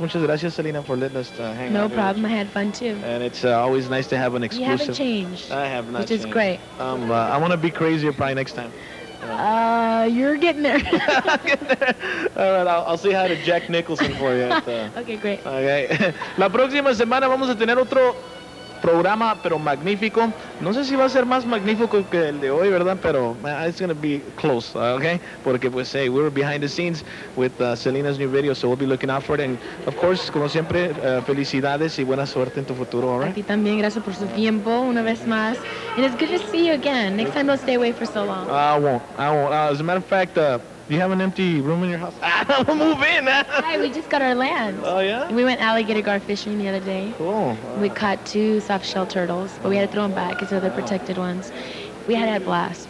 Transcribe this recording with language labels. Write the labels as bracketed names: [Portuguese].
[Spanish] Muchas gracias, [English] Selena, for letting us hang out. No problem. I had fun, too. And it's always nice to have an exclusive. You haven't changed. I have not Which changed. Is great. I want to be crazier probably next time. You're getting there. All right, I'll say hi to Jack Nicholson for you. Okay, great. Okay. [Spanish] La próxima semana vamos a tener otro programa, pero magnífico. No sé si va a ser más magnífico que el de hoy, ¿verdad? [English] Pero it's going to be close, okay? [Spanish] Porque, pues, [English] hey, we're behind the scenes with Selena's new video, so we'll be looking out for it. And, of course, [Spanish] como siempre, felicidades y buena suerte en tu futuro, [English] all right? [Spanish] A ti también, gracias por su tiempo, una vez más. [English] And it's good to see you again. Next time, don't stay away for so long. I won't. As a matter of fact, do you have an empty room in your house? We'll move in. Hi, we just got our land. Oh, yeah? We went alligator gar fishing the other day. Cool. We caught two soft-shell turtles, but we had to throw them back because they're protected ones. We had a blast.